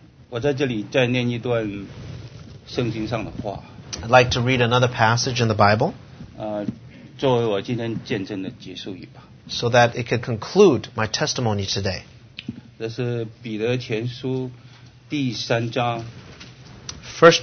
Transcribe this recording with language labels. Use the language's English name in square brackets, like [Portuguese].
[Chinese] 我在这里再念一段圣经上的话。 [English] I'd like to read another passage in the Bible. [Chinese] 作为我今天见证的结束语吧。 [English] So that it could conclude my testimony today. [Chinese] 这是彼得前书第三章。 [English] First